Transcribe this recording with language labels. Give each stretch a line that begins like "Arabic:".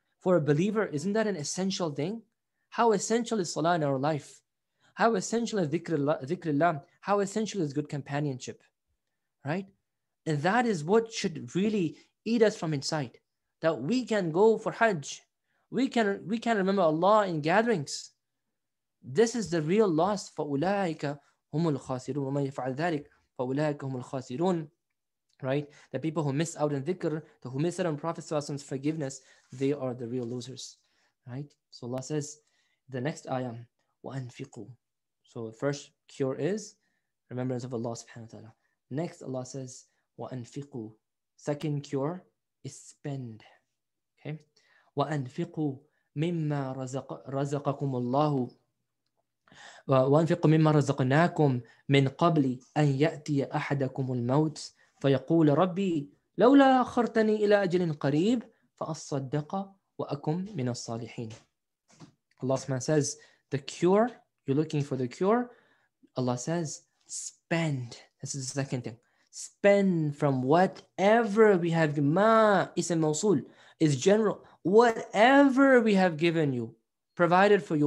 English: For a believer, isn't that an essential thing? How essential is salah in our life? How essential is dhikrullah? How essential is good companionship? Right? And that is what should really eat us from inside. That we can go for hajj. We can remember Allah in gatherings. This is the real loss.
Arabic: فَأُولَٰئِكَ هُمُ الْخَاسِرُونَ وَمَنْ يَفْعَلْ ذَلِكَ فَأُولَٰئِكَ هُمُ الْخَاسِرُونَ
English: Right? The people who miss out on dhikr, who miss out on Prophet's forgiveness, they are the real losers. Right? So Allah says, the next ayah, وَأَنْفِقُوا. So the first cure is remembrance of Allah subhanahu wa ta'ala. Next Allah says, وَأَنْفِقُوا. Second cure is spend. Okay?
Arabic: وَأَنْفِقُوا مِمَّا رَزَقَكُمُ اللَّهُ وَأَنْفِقُوا مِمَّا رَزَقْنَاكُمْ مِنْ قَبْلِ أَنْ يَأْتِيَ أَحَدَكُمُ الْمَوْتِ فيقول ربي لولا أخرتني إلى أجل قريب فأصدق وأكم من الصالحين.
English: Allah subhanahu says, the cure, you're looking for the cure. Allah says, spend. This is the second thing. Spend from whatever we have given. Ma ism mawsul is general. Whatever we have given you, provided for you.